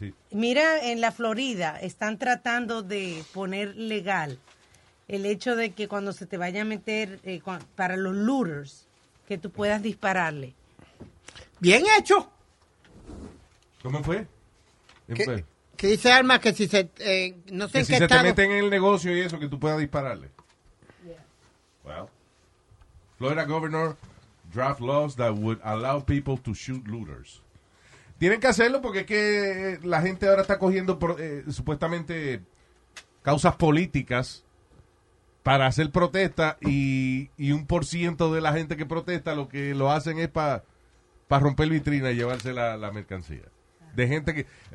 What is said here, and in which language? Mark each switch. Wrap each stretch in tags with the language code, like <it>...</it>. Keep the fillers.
<es>Mira, en la Florida están tratando de poner legal el hecho de que cuando se te vaya a meter eh, para los looters, que tú puedas Bien. dispararle. Bien hecho. ¿Cómo fue? ¿Qué, ¿Qué fue? Que dice Alma? Que si se, eh, no sé que si qué se estado. te meten en el negocio y eso, que tú puedas dispararle.</es> <en>Florida governor draft laws that would allow people to shoot looters.</en> <es>Tienen que hacerlo porque es que la gente ahora está cogiendo por, eh, supuestamente causas políticas para hacer protesta y, y un por ciento de la gente que protesta lo que lo hacen es para pa romper vitrina y llevarse la, la, mercancía. De gente que.</es>